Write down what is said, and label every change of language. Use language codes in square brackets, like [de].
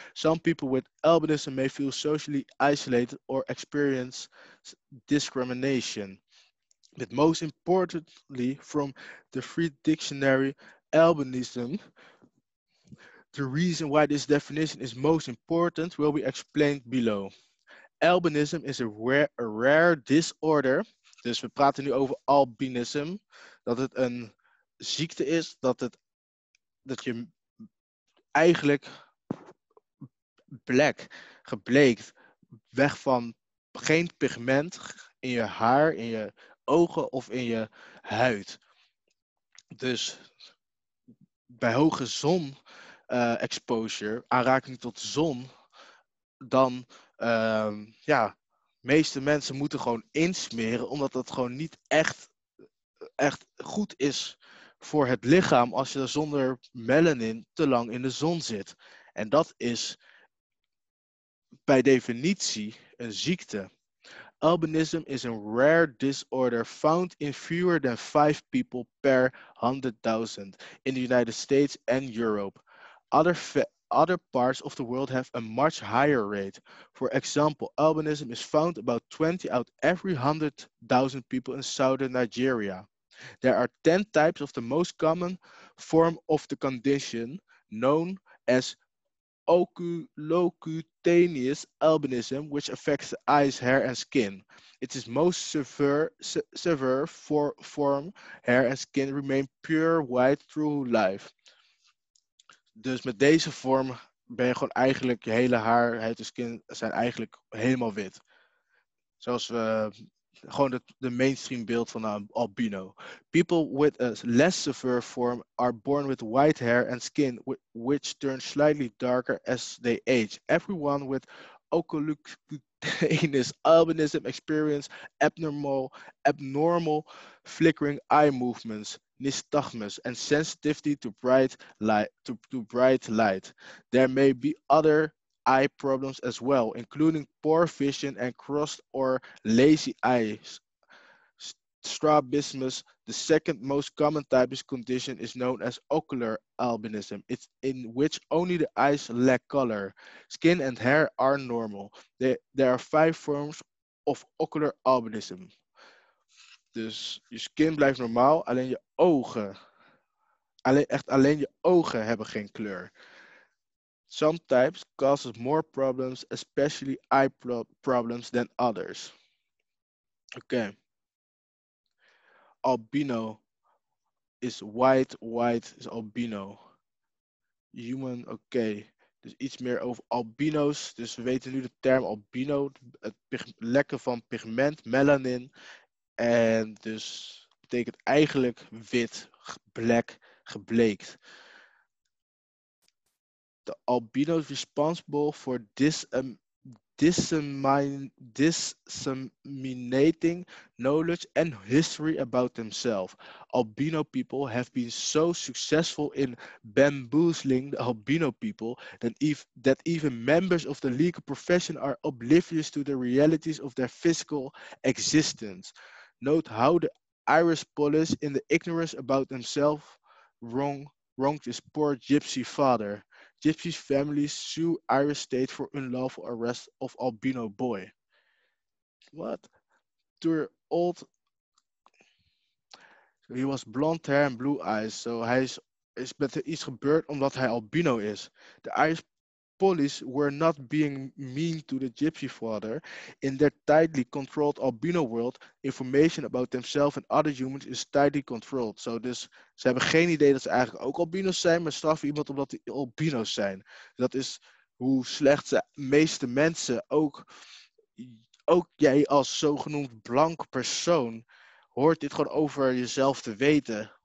[en] Some people with albinism may feel socially isolated or experience discrimination. But most importantly, from the Free Dictionary, albinism, the reason why this definition is most important will be explained below. Albinism is a rare disorder [nl] Dus we praten nu over albinism, dat het een ziekte is, dat je eigenlijk gebleekt, weg van geen pigment in je haar, in je ogen of in je huid. Dus bij hoge zon exposure, aanraking tot zon, dan ja, meeste mensen moeten gewoon insmeren, omdat dat gewoon niet echt goed is voor het lichaam als je zonder melanin te lang in de zon zit. En dat is bij definitie een ziekte. [en] Albinism is a rare disorder found in fewer than 5 people per 100.000 in the United States and Europe. Other parts of the world have a much higher rate. For example, albinism is found about 20 out every 100.000 people in southern Nigeria. There are 10 types of the most common form of the condition known as oculocutaneous albinism, which affects the eyes, hair, and skin. It is most severe form. Hair and skin remain pure white through life. Dus met deze vorm ben je gewoon eigenlijk je hele haar, huid en skin zijn eigenlijk helemaal wit. Zoals we gewoon de mainstream beeld van een albino. People with a less severe form are born with white hair and skin, which turns slightly darker as they age. Everyone with oculocutaneous albinism experience abnormal flickering eye movements, nystagmus, and sensitivity to bright light. There may be other eye problems as well, including poor vision and crossed or lazy eyes. Strabismus, the second most common type of condition, is known as ocular albinism. It's in which only the eyes lack color. Skin and hair are normal. There are 5 forms of ocular albinism. [nl] Dus je skin blijft normaal, alleen je ogen, alleen je ogen hebben geen kleur. [en] Some types causes more problems, especially eye problems, than others. Oké. Albino is white, white is albino. Human, oké. [nl] Dus iets meer over albino's. Dus we weten nu de term albino, het lekken van pigment, melanin. En dus betekent eigenlijk wit, black, gebleekt. [en] De albino is responsible for disseminating knowledge and history about themselves. Albino people have been so successful in bamboozling the albino people that even members of the legal profession are oblivious to the realities of their physical existence. Note how the Irish police, in the ignorance about themselves, wronged his poor gypsy father. Gypsy families sue Irish state for unlawful arrest of albino boy. What? Too old. He was blond hair and blue eyes. [nl] So hij is met iets gebeurd omdat hij albino is. [en] The Irish police were not being mean to the gypsy father. In their tightly controlled albino world, information about themselves and other humans is tightly controlled. [nl] So, dus ze hebben geen idee dat ze eigenlijk ook albino's zijn, maar straffen iemand omdat die albino's zijn. Dat is hoe slecht de meeste mensen, ook jij als zogenoemd blank persoon, hoort dit gewoon over jezelf te weten.